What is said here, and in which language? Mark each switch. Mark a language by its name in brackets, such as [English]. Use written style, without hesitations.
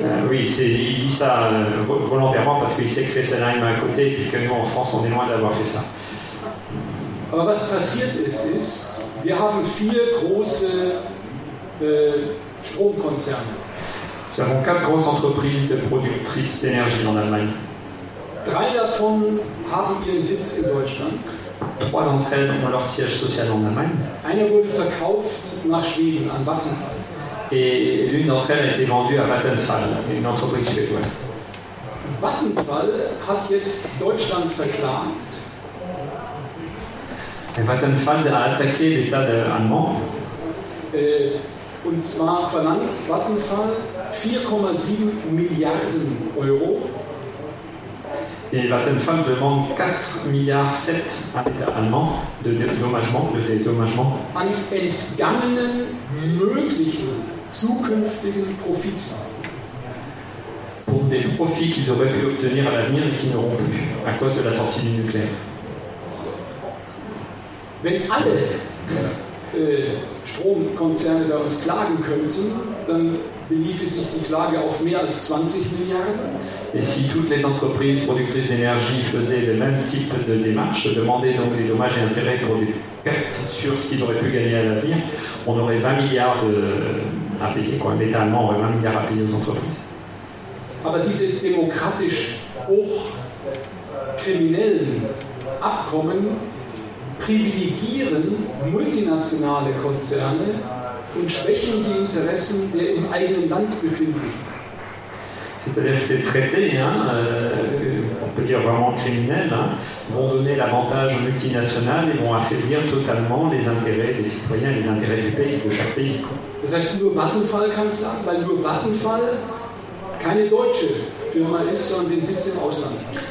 [French] Il dit ça volontairement parce qu'il sait que Fessenheim est à côté et que nous, en France, on est loin d'avoir fait ça. [German] Aber was passiert ist, wir haben vier große Stromkonzerne. [French] Nous avons quatre grosses entreprises de productrices d'énergie en Allemagne. [German] Drei davon haben ihren Sitz in Deutschland. [French] Trois d'entre elles ont leur siège social en Allemagne. [German] Eine wurde verkauft nach Schweden an Vattenfall. [French] Et l'une d'entre elles a été vendue à Vattenfall, une entreprise suédoise. [German] Vattenfall hat jetzt Deutschland verklagt. [French] Et Vattenfall a attaqué l'État allemand. [German] Und zwar verlangt Vattenfall 4,7 Milliarden Euro. [French] Et Vattenfall demande 4 milliards 7 à l'État allemand de dédommagement. [German] An entgangenen möglichen zukünftigen Profitmargen. [French] Pour des profits qu'ils auraient pu obtenir à l'avenir et qu'ils n'auront plus à cause de la sortie du nucléaire. [German] Wenn alle Stromkonzerne bei uns klagen könnten, dann beliefe sich die Klage auf mehr als 20 Milliarden. [French] Et si toutes les entreprises productrices d'énergie faisaient le même type de démarche, demandaient donc des dommages et intérêts pour des pertes sur ce qu'ils auraient pu gagner à l'avenir, on aurait 20 milliards à payer, quoi. L'État allemand aurait 20 milliards à payer aux entreprises. [German] Aber diese demokratisch hochkriminellen Abkommen privilegieren multinationale Konzerne und schwächen die Interessen der im eigenen Land befindlichen. [French] C'est-à-dire que ces traités, hein, on peut dire vraiment criminels, hein, vont donner l'avantage aux multinationales et vont affaiblir totalement les intérêts des citoyens, les intérêts du pays, de chaque pays. [German] Das heißt, nur Vattenfall kann klagen, weil nur Vattenfall keine deutsche Firma ist, sondern den Sitz im Ausland.